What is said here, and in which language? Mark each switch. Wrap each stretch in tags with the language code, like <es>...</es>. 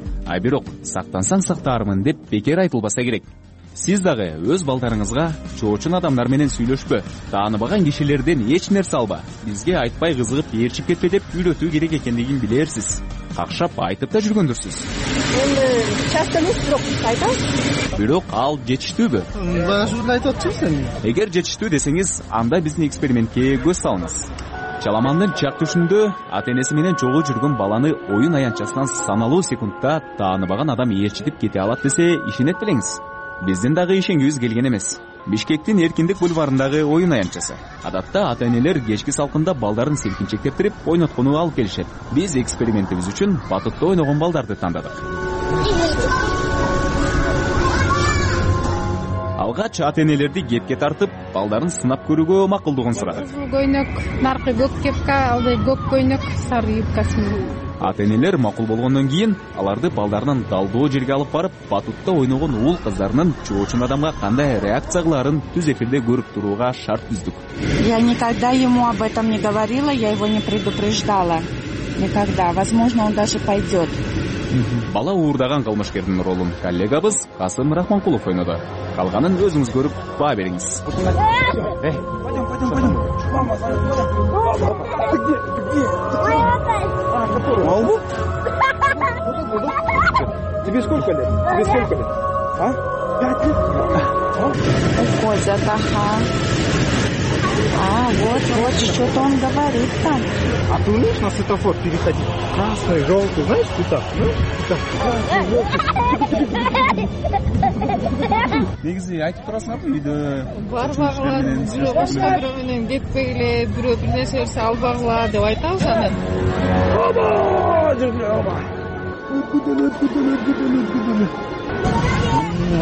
<ky>А бирок сактансаң сактаармын деп бекер айтылбаса керек. Сиз дагы өз балдарыңызга чоочун адамдар менен сүйлөшпө, тааныбаган кишилерден эч нерсе алба, бизге айтпай кызыгып ээрчип кетпе деп үйрөтүү керек экендигин билерсиз. Какшап айтып да жүргөндүрсүз. Эми</ky> <ru>часто</ru> <ky>эмес, бирок айтам. Бирок ал жетиштүүбү? Мына ушуну айтып атчу сен. Эгер жетиштүү десеңиз, анда биздин экспериментке көз салыңыз. Чаламандын чак түшүндө ата-энеси менен жолу жүргөн баланы оюн аянтчасынан саналуу секундда тааныбаган адам ээрчитип кете алат десе ишенет белеңиз. Биздин дагы ишенгибиз келген эмес. Бишкектин Эркиндик бульварындагы оюн аянтчасы. Адатта ата-энелер кечки салкында балдарын селкинчектептирип ойноткону алып келишет. Биз экспериментибиз үчүн батутта ойногон балдарды тандадык. Алгач ата-энелерди кепке тартып, балдарын сынап көрүүгө макулдугун сурадык. Кызыл көйнөк, наркы көк кепка, алды көк көйнөк, сары юбкасы менен. Ата-энелер макул болгондон кийин аларды балдарынын далдоо жерге алып барып, батутта ойногон уул кыздарынын чоочун адамга кандай реакция кылаарын түз эфирде көрүп турууга шарт түздүк.</ky> <ru>Я никогда ему об этом не говорила, я его не предупреждала. Никогда. Возможно, он даже пойдет.</ru> <ky>Бала уурдаган кылмышкердин ролун коллегабыз Касым Рахманкулов ойноду. Калганын өзүңүз көрүп баа бериңиз.</ky> <ru>Тебе сколько лет? А? 5 лет. Уходят, ага. А, вот, что-то он говорит там. А ты умеешь на светофор переходить? Красный, желтый, знаешь, цвета?</ru> <ky>Негизи айтып турасыңарбы үйдө? Бар багылар, бирөө башка бирөө менен кетпек эле, бирөө бир нерсе берсе албагыла деп айтабыз анан.</ky>